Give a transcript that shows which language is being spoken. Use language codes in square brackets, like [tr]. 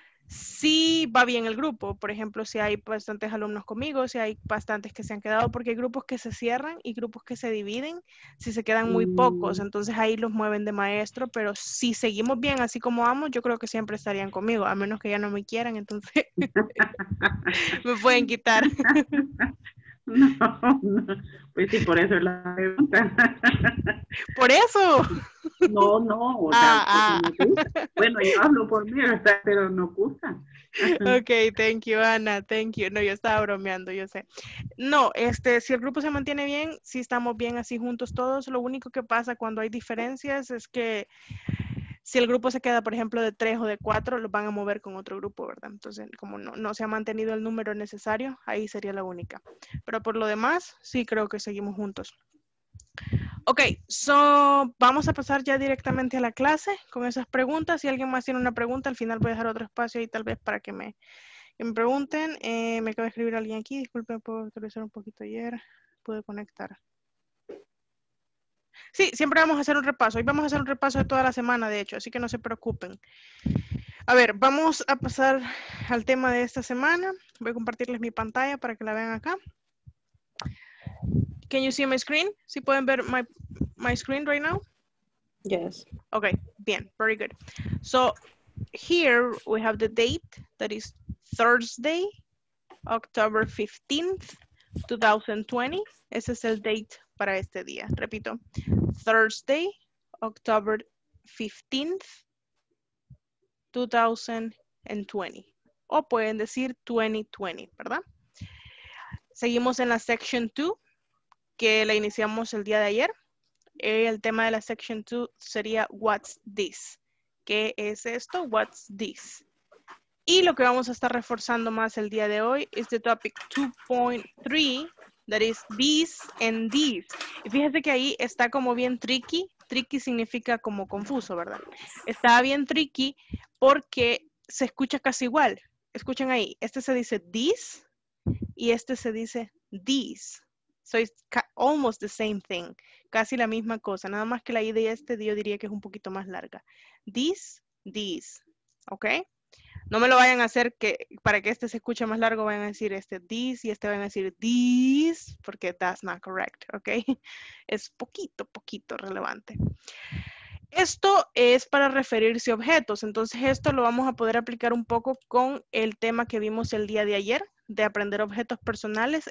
[es] Sí va bien el grupo, por ejemplo, si hay bastantes alumnos conmigo, si hay bastantes que se han quedado, porque hay grupos que se cierran y grupos que se dividen, si se quedan muy pocos, entonces ahí los mueven de maestro, pero si seguimos bien así como vamos, yo creo que siempre estarían conmigo, a menos que ya no me quieran, entonces me pueden quitar. No, pues sí, por eso es la pregunta. ¿Por eso? No, o sea, pues no, bueno, yo hablo por mí, pero no gusta. [en] Ok, thank you, Ana, thank you. [es] No, yo estaba bromeando, yo sé. No, si el grupo se mantiene bien, si estamos bien así juntos todos, lo único que pasa cuando hay diferencias es que si el grupo se queda, por ejemplo, de 3 o de 4, los van a mover con otro grupo, ¿verdad? Entonces, como no se ha mantenido el número necesario, ahí sería la única. Pero por lo demás, sí creo que seguimos juntos. Ok, so vamos a pasar ya directamente a la clase con esas preguntas. Si alguien más tiene una pregunta, al final voy a dejar otro espacio ahí tal vez para que me pregunten. Me acaba de escribir alguien aquí. Disculpen, puedo actualizar un poquito ayer. Pude conectar. Sí, siempre vamos a hacer un repaso. Hoy vamos a hacer un repaso de toda la semana, de hecho, así que no se preocupen. A ver, vamos a pasar al tema de esta semana. Voy a compartirles mi pantalla para que la vean acá. [en] Can you see my screen? [es] ¿Sí pueden ver [en] my screen right now? Yes. Okay, [es] bien, [en] very good. So, here we have the date, that is Thursday, October 15th, 2020. [es] Ese es el date para este día. [en] Repito, Thursday, October 15th, 2020. [es] O pueden decir 2020, ¿verdad? Seguimos en la section 2, que la iniciamos el día de ayer. El tema de la section 2 sería [en] What's this? [es] ¿Qué es esto? [en] What's this? [es] Y lo que vamos a estar reforzando más el día de hoy es [en] the topic 2.3, that is these and these. [es] Y fíjate que ahí está como bien tricky. Tricky significa como confuso, ¿verdad? Está bien tricky porque se escucha casi igual. Escuchen ahí. Este se dice these y este se dice these. [en] So it's almost the same thing. [es] Casi la misma cosa. Nada más que la I de este yo diría que es un poquito más larga. These. ¿Ok? No me lo vayan a hacer que para que este se escuche más largo vayan a decir this y este van a decir this porque [en] that's not correct, [es] ¿ok? Es poquito relevante. Esto es para referirse a objetos, entonces esto lo vamos a poder aplicar un poco con el tema que vimos el día de ayer de aprender objetos personales.